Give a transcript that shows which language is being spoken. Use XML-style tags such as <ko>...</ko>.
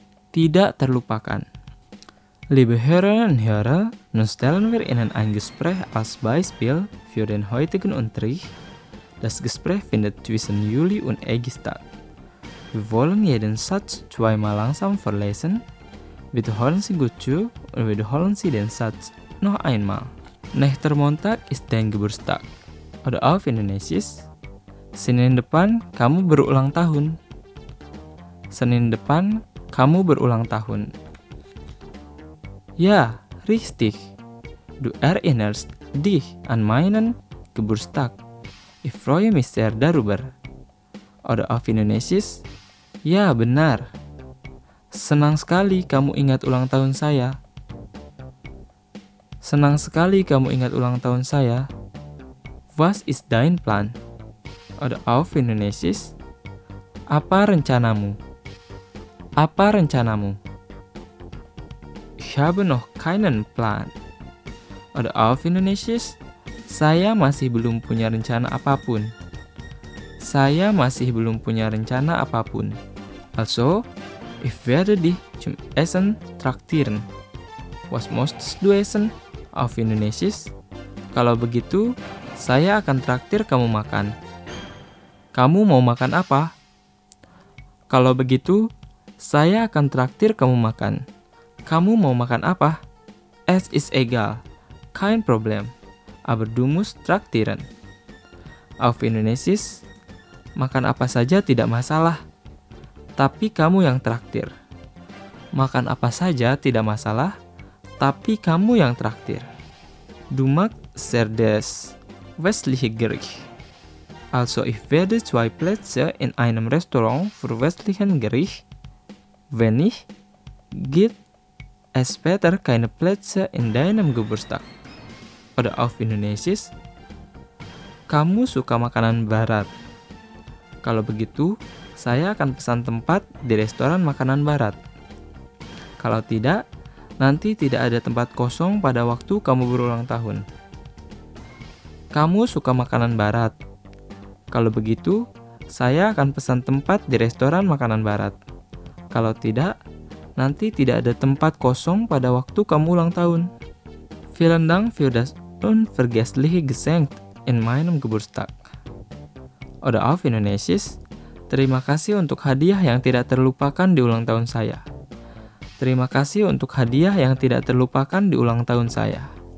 <id>Tidak terlupakan.</id> <de>Liebe Hörerinnen und Hörer, nun stellen wir Ihnen ein Gespräch als Beispiel für den heutigen Unterricht. Das Gespräch findet zwischen Juli und Egi statt. Wir wollen jeden Satz zweimal langsam verlesen. Wiederholen Sie gut zu und wiederholen Sie den Satz noch einmal. Nächster Montag ist dein Geburtstag. Oder auf Indonesisch.</de> <id>Senin depan kamu berulang tahun. Senin depan kamu berulang tahun.</id> <de>Ja, richtig. Du erinnerst dich an meinen Geburtstag. Ich freue mich sehr darüber. Oder auf Indonesisch.</de> <id>Ja, benar. Senang sekali kamu ingat ulang tahun saya. Senang sekali kamu ingat ulang tahun saya.</id> <de>Was ist dein Plan? Oder auf Indonesisch.</de> <id>Apa rencanamu? Apa rencanamu?</id> <de>Ich habe noch keinen Plan. Oder auf Indonesisch.</de> <id>Saya masih belum punya rencana apapun. Saya masih belum punya rencana apapun.</id> <de>Also, ich werde dich zum Essen traktieren. Was möchtest du essen? Auf Indonesisch.</de> <id>Kalau begitu, saya akan traktir kamu makan. Kamu mau makan apa? Kalau begitu, saya akan traktir kamu makan. Kamu mau makan apa?</id> <de>Es ist egal. Kein Problem. Aber du musst traktieren. Auf Indonesisch.</de> <id>Makan apa saja tidak masalah. Tapi kamu yang traktir. Makan apa saja tidak masalah. Tapi kamu yang traktir.</id> <de>Du magst sehr das westliche Gericht. Also ich werde zwei Plätze in einem Restaurant für westlichen Gericht. Wenn nicht, gibt es später keine Plätze in deinem Geburtstag. Oder auf Indonesisch.</de> <id>Kamu suka makanan barat. Kalau begitu, saya akan pesan tempat di restoran makanan barat. Kalau tidak, nanti tidak ada tempat kosong pada waktu kamu berulang tahun. Kamu suka makanan barat. Kalau begitu, saya akan pesan tempat di restoran makanan barat. Kalau tidak, nanti tidak ada tempat kosong pada waktu kamu ulang tahun.</id> <de>Vielen Dank für das unvergessliche Geschenk in meinem Geburtstag. Oder auf Indonesisch,</de> <id>terima kasih untuk hadiah yang tidak terlupakan di ulang tahun saya. Terima kasih untuk hadiah yang tidak terlupakan di ulang tahun saya.</id>